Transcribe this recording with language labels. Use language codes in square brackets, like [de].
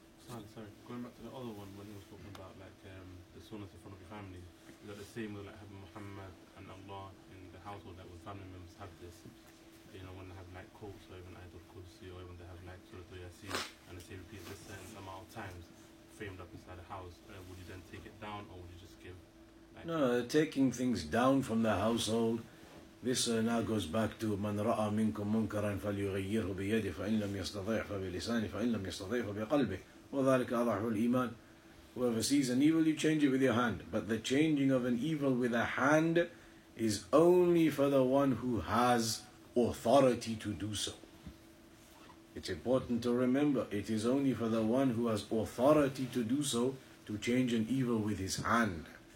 [en] Sorry, going back to the other one, when he was talking about like the sunnah in front of your family, is that the same with like having Muhammad and Allah in the household, that with family members have this, you know, when they have like quotes, or even Ayatul Kursi, or even they have like Suratul Yaseen, and they say repeat this certain amount of times, framed up inside the house, would you then take it down, or would you just give? No, taking things down from the household, This now goes back to [ar] من رأى منكم منكرا فليغيره بيده فإن لم يستطع فبلسانه فإن لم يستطع فبقلبه وذلك أضعف الإيمان. [en] Whoever sees an evil, you change it with your hand. But the changing of an evil with a hand is only for the one who has authority to do so. It's important to remember, it is only for the one who has authority to do so, to change an evil with his hand.